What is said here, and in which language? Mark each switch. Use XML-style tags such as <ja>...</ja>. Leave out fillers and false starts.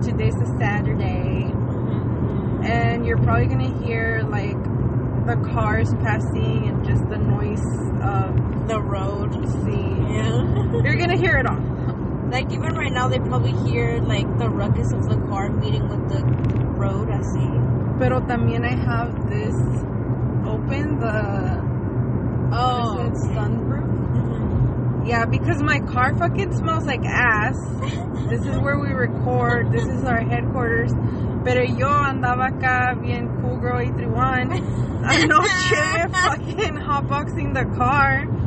<en>Today's a Saturday. Mm-hmm. And you're probably gonna hear like the cars passing and just the noise of the road. See, yeah. You're gonna hear it all. Like even right now they probably hear like the ruckus of the car meeting with the road. I see.</en> <es>Pero también</es> <en>I have this open, the sunroof. Mm-hmm. Yeah, because my car fucking smells like ass. This is where we record. This is our headquarters.</en> <es>Pero yo andaba acá bien cool girl 831.</es> <en>I'm no chill fucking hotboxing the car.</en>